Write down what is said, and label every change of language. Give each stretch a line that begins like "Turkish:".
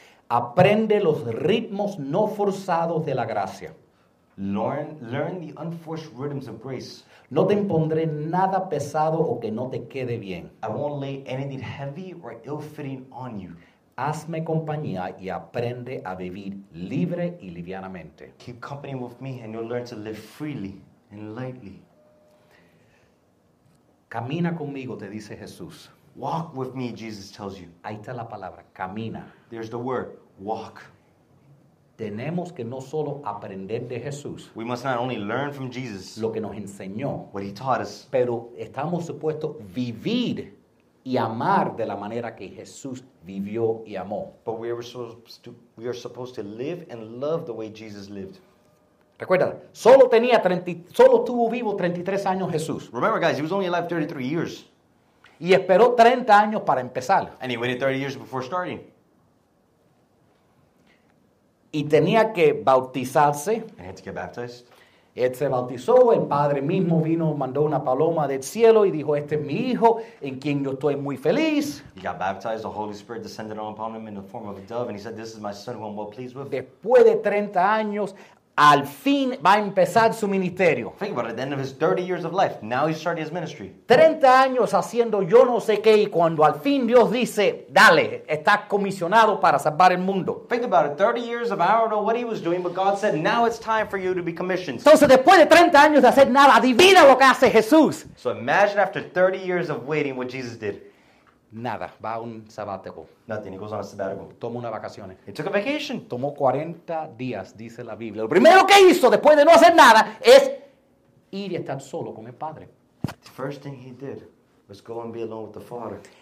Spanish: Aprende los ritmos no forzados de la gracia.
English: Learn the unforced rhythms of grace.
Spanish: No te impondré nada pesado o que no te quede bien.
English: I won't lay anything heavy or ill-fitting on you.
Spanish: Hazme compañía y aprende a vivir libre y livianamente.
English: Keep company with me and you'll learn to live freely and lightly.
Spanish: Camina conmigo, te dice Jesús.
English: Walk with me, Jesus tells you.
Spanish: Ahí está la palabra, camina.
English: There's the word, walk.
Spanish: Tenemos que no solo aprender de Jesús.
English: We must not only learn from Jesus.
Spanish: Lo que nos enseñó.
English: What he taught us.
Spanish: Pero estamos supuestos vivir y amar de la manera que Jesús vivió y amó.
English: But we are supposed to live and love the way Jesus lived.
Spanish: Recuerda, solo tuvo vivo 33 años Jesús.
English: Remember guys, he was only alive 33 years.
Spanish: Y esperó 30 años para empezar.
English: And he waited 30 years before starting.
Spanish: Y tenía que bautizarse.
English: And he had to get baptized.
Spanish: Él se bautizó, el Padre mismo vino, mandó una paloma del cielo y dijo, este es mi hijo, en quien yo estoy muy feliz.
English: He got baptized, the Holy Spirit descended upon him in the form of a dove, and he said, this is my son who I'm well pleased with.
Spanish: Después de 30 años, al fin va a empezar su ministerio.
English: Think about it, at the end of his 30 years of life, now he's starting his ministry.
Spanish: 30 años haciendo yo no sé qué, y cuando al fin Dios dice, dale, estás comisionado para salvar el mundo.
English: Think about it, 30 years of I don't know what he was doing, but God said, now it's time for you to be commissioned.
Spanish: Entonces después de 30 años de hacer nada, adivina lo que hace Jesús.
English: So imagine after 30 years of waiting what Jesus did.
Spanish: Nada, va a un sabático.
English: Nothing, he goes on a sabbatical.
Spanish: Toma unas vacaciones.
English: He took a vacation.
Spanish: Tomó 40 días, dice la Biblia. Lo primero que hizo después de no hacer nada es ir y estar solo con el Padre.
English: The first thing he did was go and be alone with the Father.